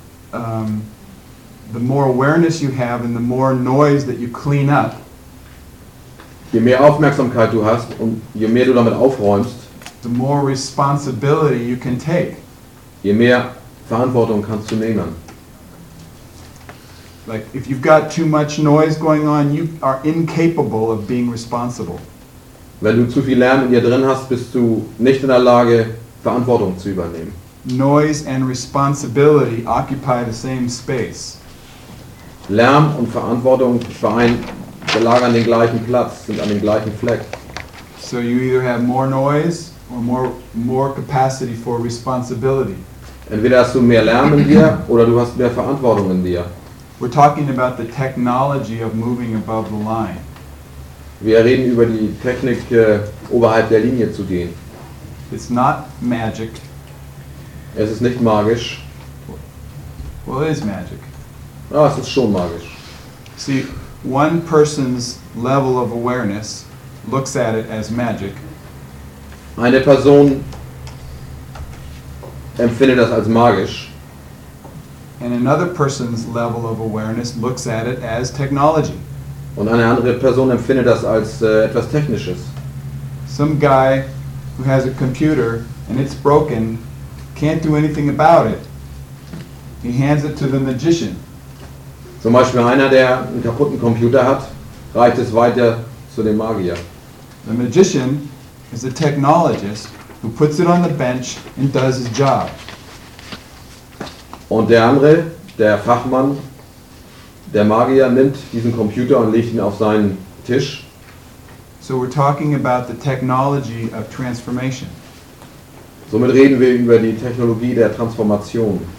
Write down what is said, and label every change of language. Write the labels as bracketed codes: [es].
[en] The more awareness you have and the more noise that you clean up. [de] Je mehr Aufmerksamkeit du hast und je mehr du damit aufräumst, [en] the more responsibility you can take. [de] Je mehr Verantwortung kannst du nehmen. [en] Like if you've got too much noise going on, you are incapable of being responsible. [de] Wenn du zu viel Lärm in dir drin hast, bist du nicht in der Lage, Verantwortung zu übernehmen. [en] Noise and responsibility occupy the same space. [de] Lärm und Verantwortung belagern den gleichen Platz, sind an dem gleichen Fleck. [en] So you either have more noise or more capacity for responsibility. [de] Entweder hast du mehr Lärm in dir oder du hast mehr Verantwortung in dir. [en] We're talking about the technology of moving above the line. [de] Wir reden über die Technik, oberhalb der Linie zu gehen. [en] It's not magic. [de] Es ist nicht magisch. [en] Well, it is magic. [de] Ah, es ist schon magisch. [en] See, one person's level of awareness looks at it as magic. [de] Eine Person empfindet das als magisch. [en] And another person's level of awareness looks at it as technology. [de] Und eine andere Person empfindet das als etwas Technisches. [en] Some guy who has a computer and it's broken can't do anything about it. He hands it to the magician. [de] Zum Beispiel einer, der einen kaputten Computer hat, reicht es weiter zu dem Magier. [en] The magician is a technologist who puts it on the bench and does his job. [de] Und der andere, der Fachmann, der Magier nimmt diesen Computer und legt ihn auf seinen Tisch. [en] So we're talking about the technology of transformation. [de] Somit reden wir über die Technologie der Transformation.